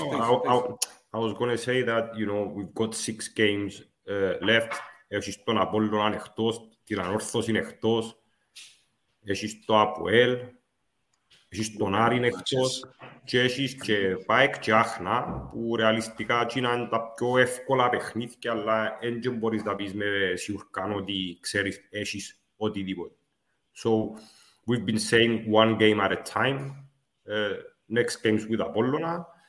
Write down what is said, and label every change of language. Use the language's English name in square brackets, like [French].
[English] I was going to say that, you know, we've got six games left. [Greek] Έχεις τον Απόλλωναν εκτός, την Ανόρθωση εκτός. Έχεις το Αποέλ. Έχεις τον Άρη εκτός. Και έχεις και ΠΑΕΚ και Άχνα, που ρεαλιστικά είναι τα πιο εύκολα παιχνίδια, αλλά δεν μπορείς να πεις με σιουρκάν ότι ξέρεις έχεις οτιδήποτε. [English] So we've been saying one game at a time. Next game's with Apollona.